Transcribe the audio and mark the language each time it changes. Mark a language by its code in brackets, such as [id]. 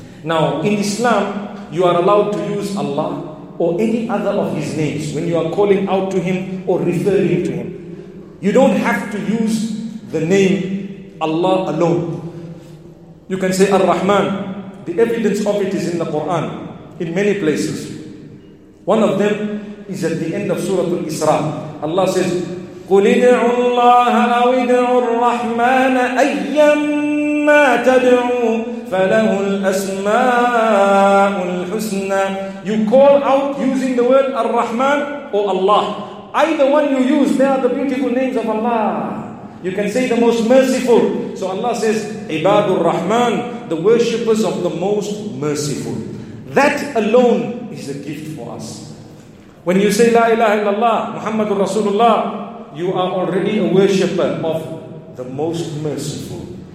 [en] Now in Islam, you are allowed to use Allah or any other of His names when you are calling out to Him or referring to Him. You don't have to use the name Allah alone. You can say Ar-Rahman. The evidence of it is in the Quran, in many places. One of them is at the end of Surah Al-Isra. [ar] Allah says, قُلِ ادْعُوا اللَّهَ أَوِ ادْعُوا الرَّحْمَانَ أَيَّمَّا تَدْعُوا فَلَهُ الْأَسْمَاءُ الْحُسْنَى. [en] You call out using the word Ar-Rahman or Allah. Either one you use, they are the beautiful names of Allah. You can say the most merciful. So Allah says, Ibadur Rahman, the worshippers of the most merciful. That alone is a gift for us. When you say La ilaha illallah, Muhammadur Rasulullah, you are already a worshipper of the most merciful.